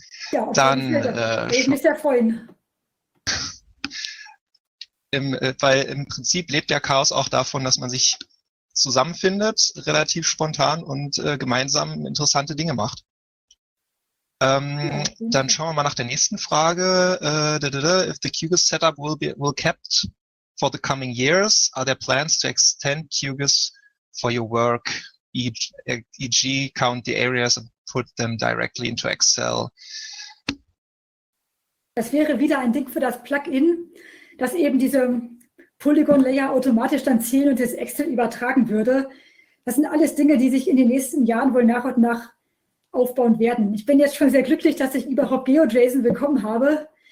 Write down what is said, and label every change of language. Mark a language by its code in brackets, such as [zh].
[de] Ja, auf dann würde mich sehr freuen. Weil im Prinzip lebt ja Chaos auch davon, dass man sich zusammenfindet, relativ spontan und gemeinsam interessante Dinge macht. Dann schauen wir mal nach der nächsten Frage. [en] If the QGIS setup will kept for the coming years, are there plans to extend QGIS for your work, e.g. count the areas and put them directly into Excel? [de] Das wäre wieder ein Ding für das Plugin, das eben diese Polygon-Layer automatisch dann zählen und das Excel übertragen würde. Das sind alles Dinge, die sich in den nächsten Jahren wohl nach und nach aufbauen werden. Ich bin jetzt schon sehr glücklich, dass ich überhaupt GeoJSON bekommen habe.